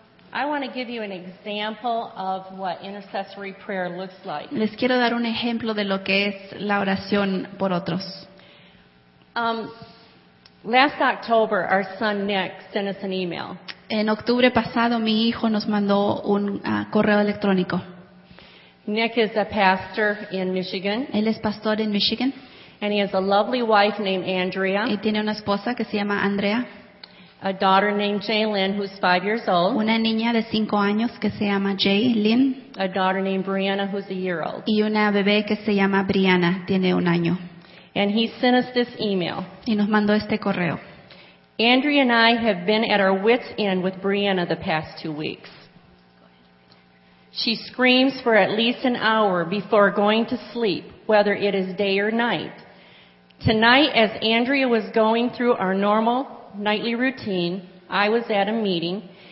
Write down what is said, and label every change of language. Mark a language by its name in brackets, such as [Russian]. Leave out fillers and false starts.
[English] I want to give you an example of what intercessory prayer looks like. [Spanish] Les quiero dar un ejemplo de lo que es la oración por otros. [English] Last October, our son Nick sent us an email. [Spanish] En octubre pasado, mi hijo nos mandó un correo electrónico. [English] Nick is a pastor in Michigan. [Spanish] Él es pastor en Michigan. [English] And he has a lovely wife named Andrea. [Spanish] Y tiene una esposa que se llama Andrea. [English] A daughter named Jaylin, who's 5 years old. [Spanish] Una niña de 5 años que se llama Jaylin. [English] A daughter named Brianna, who's a year old. [Spanish] Y una bebé que se llama Brianna, tiene 1 año. [English] And he sent us this email. [Spanish] Y nos mandó este correo. [English] Andrea and I have been at our wits' end with Brianna the past 2 weeks. She screams for at least an hour before going to sleep, whether it is day or night. Tonight, as Andrea was going through our normal nightly routine, I was at a meeting.